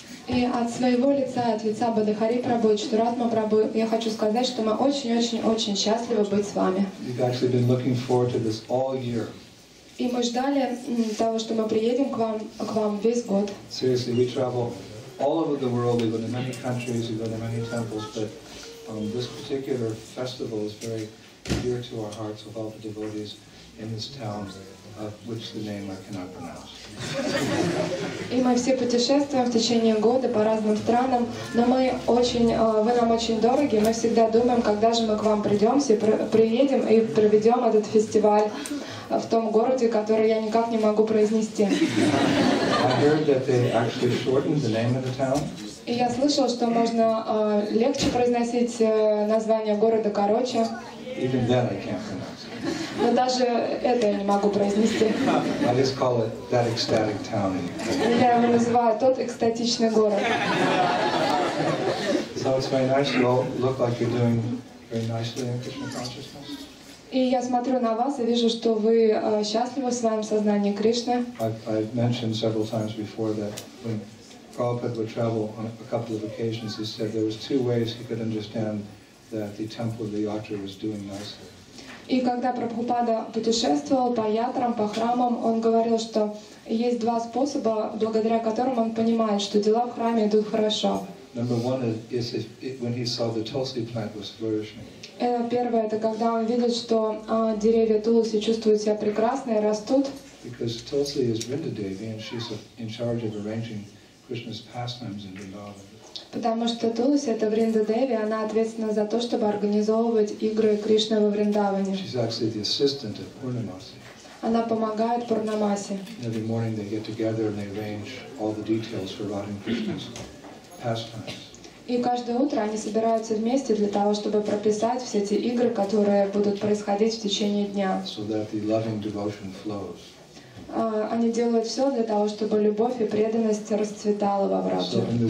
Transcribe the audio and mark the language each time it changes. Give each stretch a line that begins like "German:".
Russian: И от своего лица, от лица Бадахари Прабу и Чатуратма Прабу, я хочу сказать, что мы очень-очень-очень счастливы быть с вами.
English: You've actually been looking forward to this all year.
Russian: И мы ждали того, что мы приедем к вам весь год.
English: Seriously, we travel all over the world, we go to many countries, we go to many temples, but this particular festival is very dear to our hearts of all the devotees in this town, of which the name I cannot pronounce.
Russian: И мы все путешествуем в течение года по разным странам, но мы очень, вы нам очень дороги, мы всегда думаем, когда же мы к вам приедем и проведем этот фестиваль в том городе, который я никак не могу произнести.
English: I heard that they actually shortened the name of the town.
Russian: И я слышал, что можно легче произносить название города короче.
English: Even that I can't pronounce.
Russian: Но даже это я не могу произнести.
English: I just call it that ecstatic town in Ukraine.
Russian: Я его называю тот экстатичный город.
English: So it's very nice. You all look like you're doing very nicely in Krishna consciousness.
Russian: И я смотрю на вас и вижу, что вы счастливы в своем сознании Кришны.
English: I've mentioned several times before that when Prabhupada would travel on a couple of occasions, he said there was two ways he could understand that the temple of the Yatra was doing nicely.
Russian: И когда Прабхупада путешествовал по ятрам, по храмам, он говорил, что есть два способа, благодаря которым он понимает, что дела в храме идут хорошо.
English: Number one is if, when he saw the tulsi plant was flourishing.
Russian: Первое, это когда он видит, что деревья Туласи чувствуют себя прекрасно и растут.
English: Because Tulsi is Vrindadevi and she's in charge of arranging Krishna's pastimes in Vrindavan.
Russian: Потому что Туласи это Вриндадеви, она ответственна за то, чтобы организовывать игры Кришны во Вриндаване.
English: She's actually the assistant of Purnamasi.
Russian: Она помогает Пурнамасе.
English: Every morning they get together and they arrange all the details for Radha Krishna's pastimes.
Russian: И каждое утро они собираются вместе для того, чтобы прописать все эти игры, которые будут происходить в течение дня.
English: So that the loving devotion flows.
Russian: Они делают все для того, чтобы любовь и преданность расцветала во Враджа.